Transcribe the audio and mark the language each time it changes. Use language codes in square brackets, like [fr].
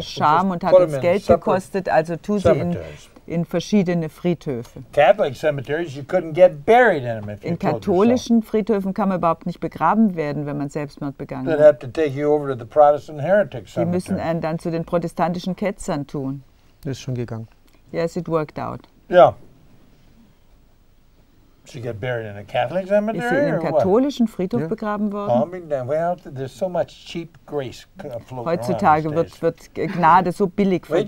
[de] Scham und hat uns Geld gekostet, also tu sie in verschiedene Friedhöfe. [en] Catholic cemeteries, you couldn't get buried in them if you [de] In katholischen Friedhöfen kann man überhaupt nicht begraben werden, wenn man Selbstmord begangen [en] They'd [de] hat. [en] Have to take you over to the Protestant heretic cemetery. [de] Die müssen einen dann zu den protestantischen Ketzern tun. Ist schon gegangen. [en] Yes, it worked out. Yeah. She got buried in a Catholic cemetery, [de] ist sie in einem katholischen Friedhof begraben worden? [en] I mean, well, there's so much cheap grace [de] floating. Heutzutage wird Gnade so billig vergeben.